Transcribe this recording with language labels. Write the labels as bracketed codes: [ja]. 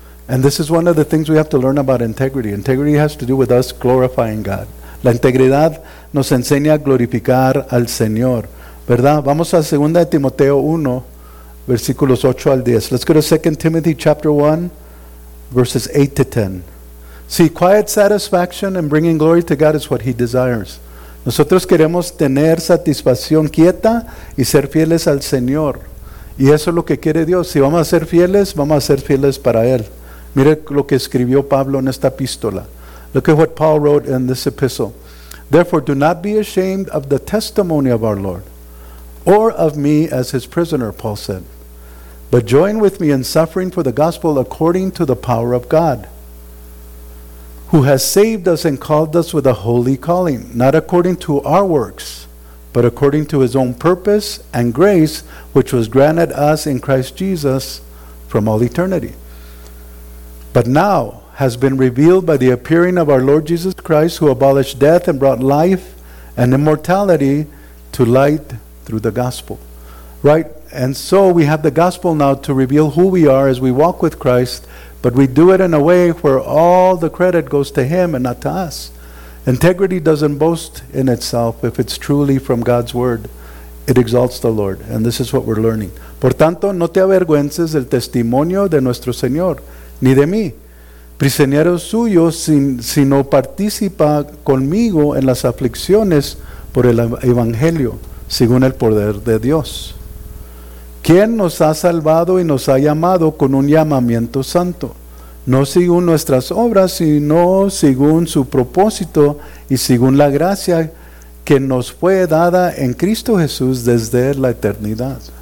[en] And this is one of the things we have to learn about integrity. Integrity has to do with us glorifying God. [es] La integridad nos enseña a glorificar al Señor, ¿verdad? Vamos a 2 Timoteo 1, versículos 8 al 10. [en] Let's go to 2 Timothy chapter 1, verses 8 to 10. See, quiet satisfaction and bringing glory to God is what He desires. Nosotros queremos tener satisfacción quieta y ser fieles al Señor. Y eso es lo que quiere Dios. Si vamos a ser fieles, vamos a ser fieles para Él. Mire lo que escribió Pablo en esta epístola. Look at what Paul wrote in this epistle. Therefore, do not be ashamed of the testimony of our Lord, or of me as His prisoner, Paul said. But join with me in suffering for the gospel according to the power of God, who has saved us and called us with a holy calling, not according to our works, but according to His own purpose and grace, which was granted us in Christ Jesus from all eternity. But now has been revealed by the appearing of our Lord Jesus Christ, who abolished death and brought life and immortality to light through the gospel. Right? And so we have the gospel now to reveal who we are as we walk with Christ, but we do it in a way where all the credit goes to Him and not to us. Integrity doesn't boast in itself. If it's truly from God's word, it exalts the Lord. And this is what we're learning. [es] Por tanto, no te avergüences del testimonio de nuestro Señor, ni de mí, prisionero suyo, sino participa conmigo en las aflicciones por el Evangelio, según el poder de Dios, quien nos ha salvado y nos ha llamado con un llamamiento santo, no según nuestras obras, sino según su propósito y según la gracia que nos fue dada en Cristo Jesús desde la eternidad,